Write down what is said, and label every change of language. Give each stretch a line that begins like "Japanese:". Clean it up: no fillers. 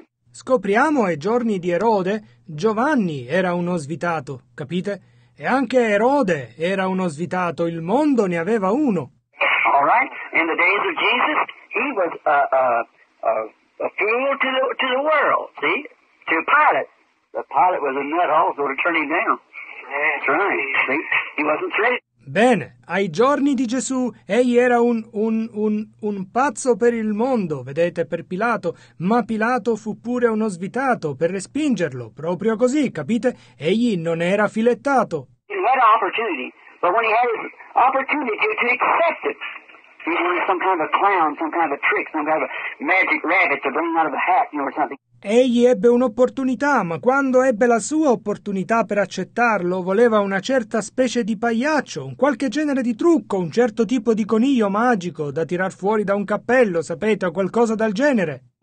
Italian: Scopriamo ai giorni di Erode, Giovanni era uno svitato, capite? E anche Erode era uno svitato, il mondo ne aveva uno.
English: All right, in the days of Jesus, he was a fool to the world, see? To Pilate. The Pilate was a nut also to turn him down. That's right, see? He wasn't ready.
Italian: Bene, ai giorni di Gesù egli era un pazzo per il mondo, vedete, per Pilato, ma Pilato fu pure uno svitato per respingerlo, proprio così, capite? Egli non era filettato.
English: He had an opportunity, but when he had his opportunity to accept it, he wanted some kind of a clown, some kind of a trick, some kind of a magic rabbit to bring out of a hat, you know, or something.
Italian: Egli ebbe un'opportunità, ma quando ebbe la sua opportunità per accettarlo, voleva una certa specie di pagliaccio, un qualche genere di trucco, un certo tipo di coniglio magico da tirar fuori da un cappello, sapete, o qualcosa del genere.